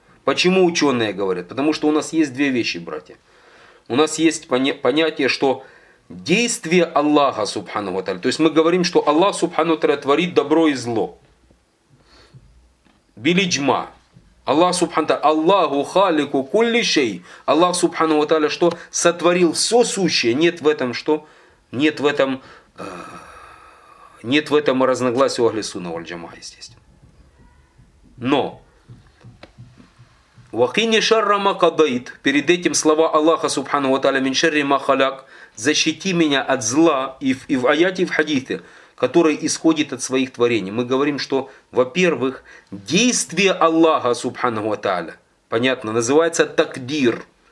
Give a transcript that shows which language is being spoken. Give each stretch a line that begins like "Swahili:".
Russian: Почему ученые говорят? Потому что у нас есть две вещи, братья. У нас есть понятие, что действие Аллаха Субхану ва Тааля. То есть мы говорим, что Аллах Субхану ва Тааля творит добро и зло. Билиджма. Аллах Субхану ва Тааля.
Arabic: Аллаху халику кулли шей.
Russian: Аллах Субхану ва Тааля что? Сотворил все сущее. Нет в этом что? Нет в этом, нет в этом разногласия у Ахлиссунна валь Джамаа, естественно.
Arabic: Но وَقِنِ شَرَّ مَا قَضَيْتَ.
Russian: Перед этим слова Аллаха Субхану ва Тааля,
Arabic: مِنْ شَرِّ مَا خَلَقْ.
Russian: Защити меня от зла, и в аяте, и в хадисе, который исходит от своих творений. Мы говорим, что, во-первых, действие Аллаха Субхану ва Тааля, понятно, называется такдир.